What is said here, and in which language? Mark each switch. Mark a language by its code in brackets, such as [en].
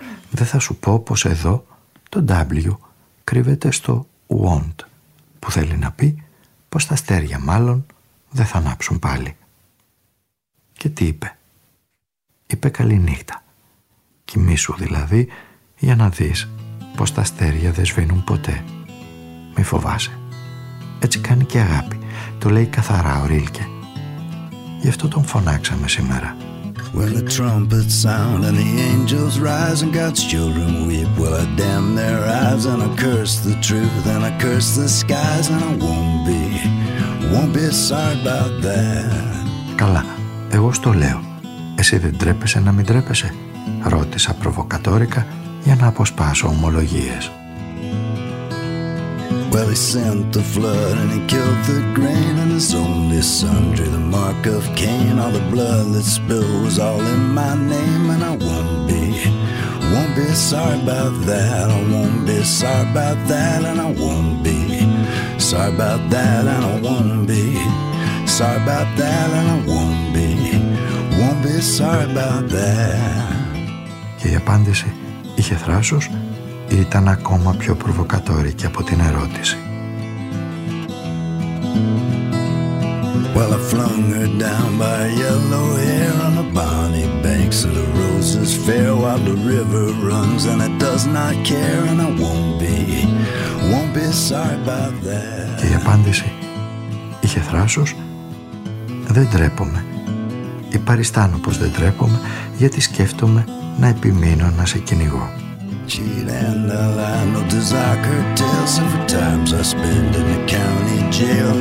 [el] Δεν θα σου πω πως εδώ το W κρύβεται στο want, που θέλει να πει πως τα αστέρια μάλλον δεν θα ανάψουν πάλι. Και τι είπε? Είπε καληνύχτα. Κοιμήσου δηλαδή, για να δεις πως τα αστέρια δεν σβήνουν ποτέ. Μη φοβάσαι. Έτσι κάνει και αγάπη. Το λέει καθαρά ο Ρίλκε. Γι' αυτό τον φωνάξαμε σήμερα. [en] When the trumpets sound and the angels rise and God's children weep, well I damn their eyes and I curse the truth and I curse the skies and I won't be sorry about that. [el] Καλά, εγώ στο λέω. Εσύ δεν τρέπεσαι να μην τρέπεσαι? Ρώτησα προβοκατόρικα για να αποσπάσω ομολογίες. [en] Well, he sent the flood and he killed the grain and his only son drew the mark of Cain. All the blood that spilled was all in my name and I won't be sorry about that. I won't be sorry about that and I won't be sorry about that and I won't be sorry about that and I won't be sorry about that. [el] Και η απάντηση είχε θράσος. Ήταν ακόμα πιο προβοκατόρικη από την ερώτηση. [en] Well, I flung her down by yellow hair on the bonny banks of the roses fair while the river runs and it does not care and I won't be sorry about that. [el] Και η απάντηση είχε θράσος. Δεν ντρέπομαι. Υπαριστάνω πως δεν ντρέπομαι γιατί σκέφτομαι να επιμείνω να σε κυνηγώ. [en] Cheat and a lie, no desire curtails of the times I spend in the county jail.